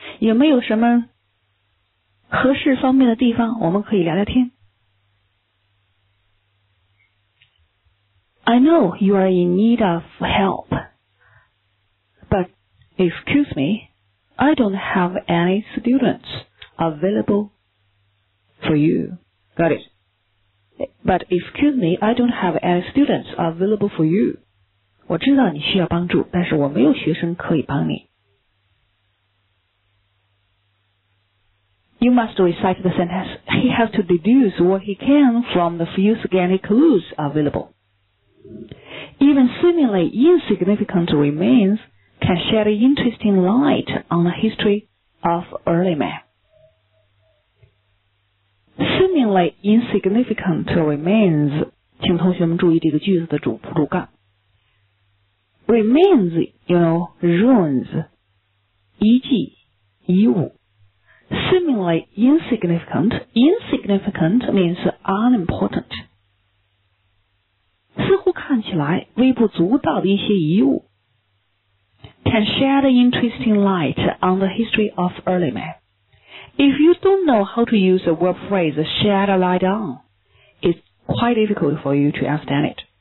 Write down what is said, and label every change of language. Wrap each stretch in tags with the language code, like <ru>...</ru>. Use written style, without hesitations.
<zh>有没有什么合适方便的地方我们可以聊聊天?</zh> <en>I know you are in need of help, but excuse me, I don't have any students available for you. Got it? But excuse me, I don't have any students available for you.</en> <zh>我知道你需要帮助，但是我没有学生可以帮你。</zh> <en>You must recite the sentence. He has to deduce what he can from the few scanty clues available. Even seemingly insignificant remains can shed interesting light on the history of early man. Seemingly insignificant remains,</en> <zh>请同学们注意这个句子的主仆主干。</zh> <en>Remains, you know, ruins,</en> <zh>遗迹、遗物。</zh> <en>Seemingly insignificant, insignificant means unimportant.</en> <zh>似乎看起来微不足道的一些遗物。</zh> <en>Can shed interesting light on the history of early man. If you don't know how to use the verb phrase shed a light on, it's quite difficult for you to understand it.</en>